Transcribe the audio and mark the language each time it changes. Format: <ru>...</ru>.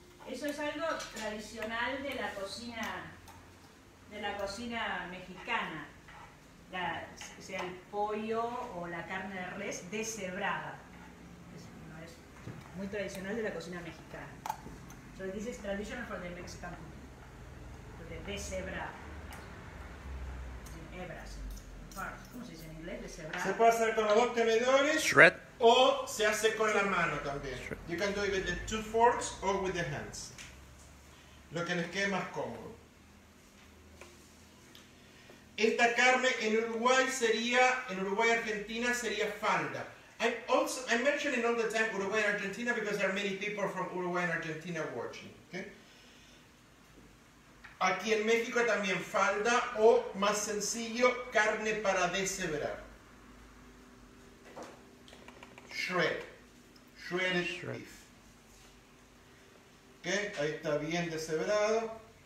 <es>Eso es algo tradicional de la cocina mexicana, sea el pollo o la carne de res deshebrada. Es muy tradicional de la cocina mexicana.</es> <en>So this is traditional for the Mexican food,</en> <es>de deshebrar, hebras. ¿Cómo se dice en inglés? Deshebrar. Se puede hacer con los dos tenedores.</es> <en>Shred.</en> <es>O se hace con la mano también. Shred.</es> <en>You can do it with the two forks or with the hands.</en> <es>Lo que les quede más cómodo. Esta carne en Uruguay sería, en Uruguay, Argentina, sería falda.</es> <en>I'm mentioning all the time Uruguay and Argentina because there are many people from Uruguay and Argentina watching. Okay?</en> <es>Aquí en México también falda o, más sencillo, carne para deshebrar.</es> <en>Shred. Shredded beef. Okay?</en> <es>Ahí está bien deshebrado.</es>